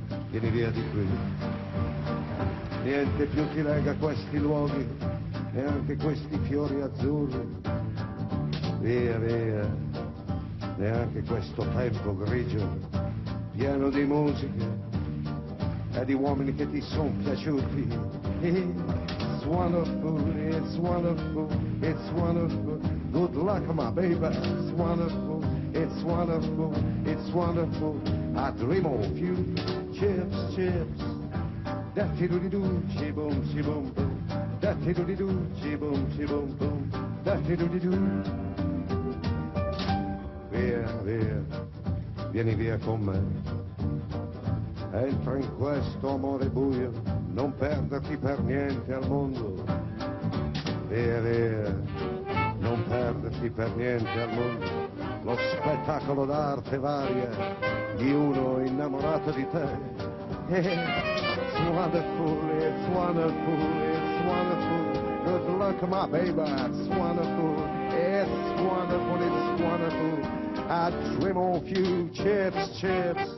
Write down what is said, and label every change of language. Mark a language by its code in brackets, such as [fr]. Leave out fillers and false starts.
[it] Vieni via di qui, niente più ti lega questi luoghi e anche questi fiori azzurri. Via, via, neanche questo tempo grigio, pieno di musica, e di uomini che ti sono piaciuti. [en] It's wonderful, it's wonderful, it's wonderful. Good luck, my baby. It's wonderful, it's wonderful, it's wonderful. I dream of you. Chips, chips. Datti do di do, chi boom, chi boom, boom. Datti do di do, chi boom, chi boom, boom. Datti do di do. [it] Via, via, vieni via con me. Entra in questo amore buio, non perderti per niente al mondo. Via, via, non perderti per niente al mondo. Lo spettacolo d'arte varia di uno innamorato di te. [en] It's wonderful, it's wonderful, it's wonderful. Good luck, my baby, it's wonderful. It's wonderful, it's wonderful. I dream of you, chips, chips.